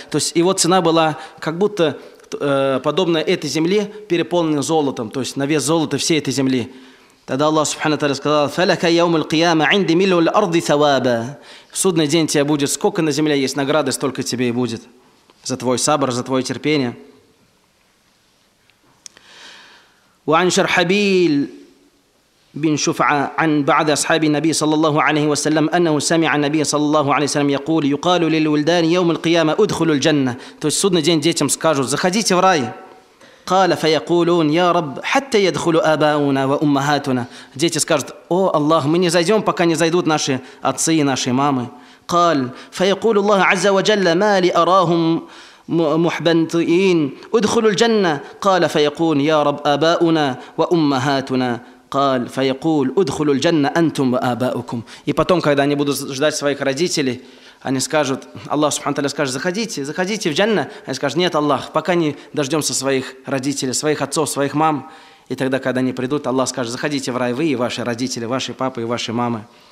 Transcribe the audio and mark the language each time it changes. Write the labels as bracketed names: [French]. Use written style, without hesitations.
[Russian] То есть, его цена была как будто подобна этой земле, переполненной золотом. То есть, на вес золота всей этой земли. Тогда Аллах субхана ва тааля сказал: [Arabic] «Фалака яум аль-кияма инди милу аль-ард саваба». [Russian] В судный день тебе будет сколько на земле есть награды, столько тебе и будет. За твой сабр, за твое терпение. [Arabic] وعن شرحبيل بن شفعة عن بعض أصحاب النبي صلى الله عليه وسلم أنه سمع النبي صلى الله عليه وسلم يقول: يقال للولدان يوم القيامة ادخلوا الجنة. [Russian] То есть в судный день детям скажут: заходите в рай. [Arabic] قال فيقولون: يا رب حتى يدخلوا آباؤنا وأمهاتنا. [Russian] Дети скажут: о Аллах, мы не зайдем, пока не зайдут наши отцы и наши мамы. [Arabic] قال فيقول الله عز وجل: ما لي أراهم محبنتين ادخلوا الجنة. قال فيقول: يا رب آباؤنا وأمهاتنا. قال فيقول: ادخلوا الجنة أنتم وآباؤكم. [Russian] И потом, когда они будут ждать своих родителей, они скажут, Аллах субхана ва тааля скажет: заходите, заходите в джанна. Они скажут: нет, Аллах, пока не дождемся своих родителей, своих отцов, своих мам. И тогда, когда они придут, Аллах скажет: заходите в рай, вы и ваши родители, ваши папы и ваши мамы.